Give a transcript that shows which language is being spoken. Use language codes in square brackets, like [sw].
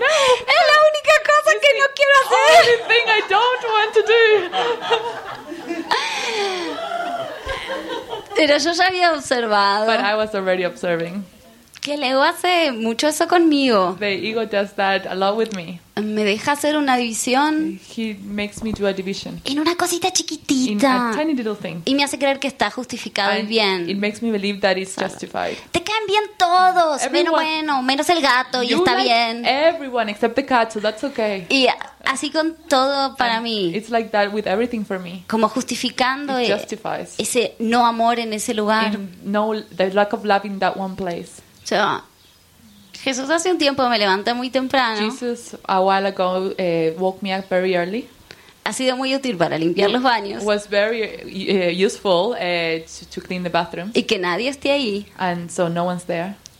[es] Es la única cosa que no quiero hacer. [en] The only thing I don't want to do. [es] Pero yo ya había observado. [en] But I was already observing. [es] Que el ego hace mucho eso conmigo. [en] The ego does that a lot with me. [es] Me deja hacer una división. [en] He makes me do a division. [es] En una cosita chiquitita. [en] In a tiny little thing. [es] Y me hace creer que está justificado y bien. [en] It makes me believe that it's justified. [es] Te caen bien todos. Everyone, bueno, menos el gato y está [en] like [es] bien. [en] Everyone except the cat, so that's okay. [es] Y así con todo para and mí. [en] It's like that with everything for me. [es] Como justificando [en] it justifies [es] ese no amor en ese lugar. [en] No, the lack of love in that one place. [es] So, Jesús hace un tiempo me levanta muy temprano. [en] Jesus a while ago woke me up very early. [es] Ha sido muy útil para limpiar los baños. [en] Was very useful to clean the bathrooms. [es] Y que nadie esté ahí. [en] And so no one's there.